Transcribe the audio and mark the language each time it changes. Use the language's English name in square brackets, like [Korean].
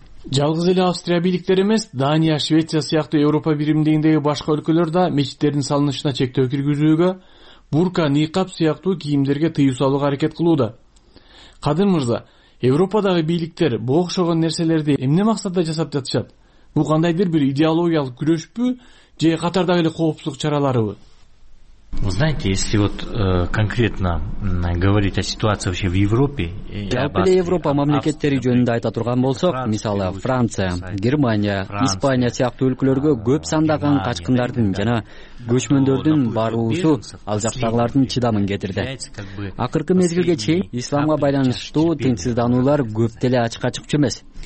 [Kyrgyz] Жалгыз эле Австрия бийликтери эмес, Дания, Швеция сыяктуу Европа биримдигиндеги башка өлкөлөр да мечиттердин салынышына чектөө киргизүүгө, бурка, никап сыяктуу кийимдерге тыюу салууга аракет кылууда. Кадыр Мырза, Европадагы бийликтер бу окшогон нерселерди эмне максатта жасап жатышат? Бул кандайдыр бир идеологиялык күрөшпү же катардагы эле коопсуздук чараларыбы? [Russian] Вы знаете, если вот конкретно говорить о ситуации вообще в Европе... [Kyrgyz] Жалпы эле Европа мамлекеттери жөнүндө айта турган болсок, мисалы Франция, Германия, Испания сыяктуу өлкөлөргө көп сандаган качкындардын жана көчмөндөрдүн баруусу ал жактагылардын чыдамын кетирди. Акыркы мезгилге чейин исламга байланыштуу тынчсыздануулар көп деле ачыкка чыкчу эмес.